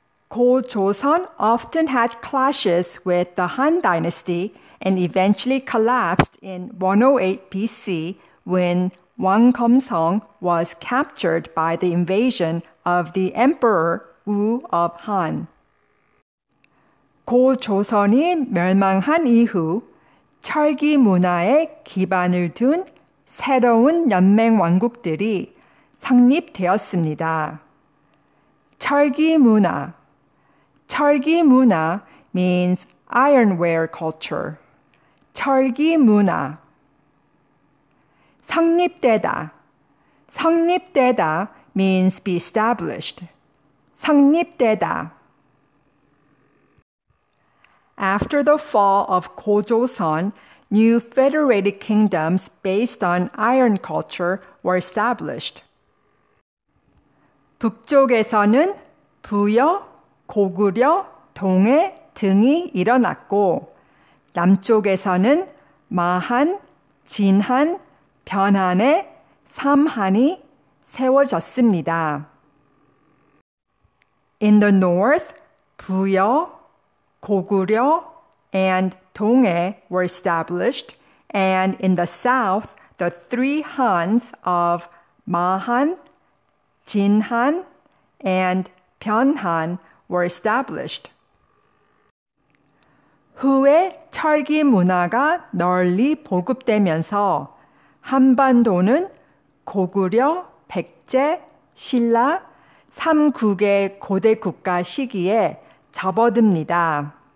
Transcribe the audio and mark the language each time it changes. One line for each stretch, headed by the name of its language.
English: 고조선 often had clashes with the Han Dynasty and eventually collapsed in 108 BC when Wanggeomseong was captured by the invasion of the Emperor Wu of Han.
Korean: 고조선이 멸망한 이후 철기 문화에 기반을 둔 새로운 연맹 왕국들이 성립되었습니다. 철기 문화. 철기 문화
English: means ironware culture.
Korean: 철기 문화. 성립되다.
English: 성립되다 means be established. 성립되다. After the fall of Gojoseon, new federated kingdoms based on iron culture were established.
Korean: 북쪽에서는 부여, 고구려, 동해 등이 일어났고 남쪽에서는 마한, 진한, 변한의 삼한이 세워졌습니다.
English: In the north, 부여, 고구려, and 동해 were established, and in the south, the three Hans of 마한, 진한, and 변한 were established.
Korean: 후에 철기 문화가 널리 보급되면서 한반도는 고구려, 백제, 신라, 삼국의 고대 국가 시기에 접어듭니다.